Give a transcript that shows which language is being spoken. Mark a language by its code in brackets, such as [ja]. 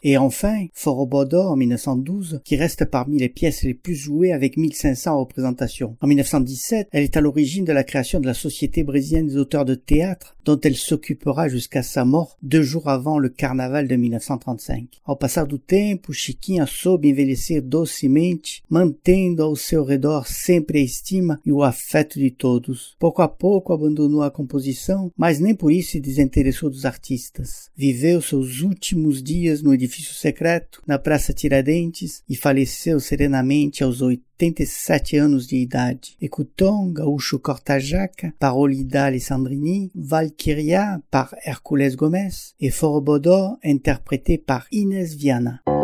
[fr] Et enfin, Forobodo en 1912, qui reste parmi les pièces les plus jouées avec 1500 représentations. En 1917, elle est à l'origine de la création de la société brésilienne des auteurs de théâtre, dont elle s'occupera jusqu'à sa mort deux jours avant le carnaval de 1935. [pt] Ao passar do tempo, Chiquinha soube envelhecer docemente, mantendo ao seu redor sempre a estima e o afeto de todos. Pouco a pouco abandonou a composição, mas nem por isso se desinteressou dos artistas. Viveu seus últimos dias no edifício secreto, na Praça Tiradentes, e faleceu serenamente aos 87 anos de idade. [fr] Écoutons Gaúcho Cortajaca par Olida Alessandrini, Valkyria par Hercules Gomez et Forobodo interprété par Inés Viana.